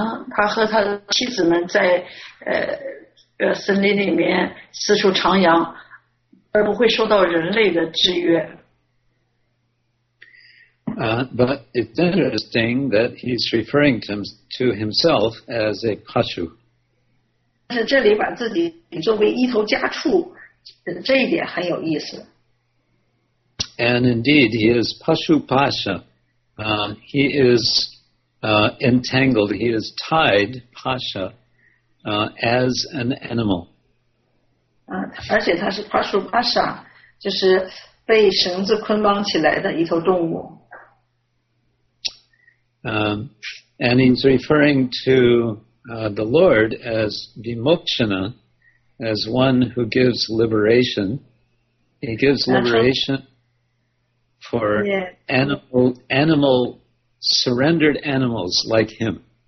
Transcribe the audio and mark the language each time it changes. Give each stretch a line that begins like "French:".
Chinese: 他和他的妻子们在森林里面四处徜徉，而不会受到人类的制约。
English: But it's interesting that he's referring to himself as a pashu.
Chinese: 但是这里把自己作为一头家畜，这一点很有意思。
English: And indeed, he is pashu pasha. He is. Entangled, he is tied, Pasha, as an animal.
Chinese: 而且他是 Pashu Pasha, 就是被绳子捆绑起来的一头动物。
English: And he's referring to the Lord as Vimokshana, as one who gives liberation. He gives liberation for animal surrendered animals like him.